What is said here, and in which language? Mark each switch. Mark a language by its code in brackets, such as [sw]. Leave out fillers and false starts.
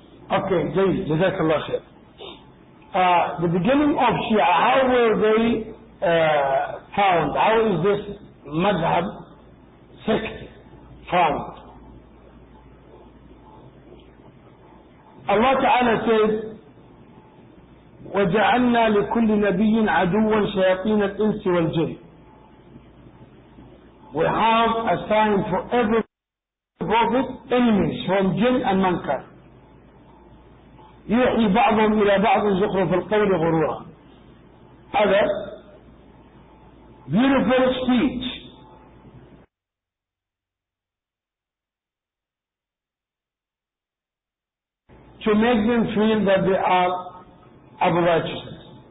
[ar] Okay, جيد. جزاك الله خير. [en] The beginning of Shia, how were they found? How is this madhab sect found? [ar] الله تعالى said وجعلنا لكل نبي عدوا شياطين الإنس والجن. [en] We have assigned for every prophet enemies from jinn and mankind. [ar] يوحي بعضهم إلى بعض زخرف القول غرورا. [en] Other beautiful speech. To make them feel that they are of righteousness.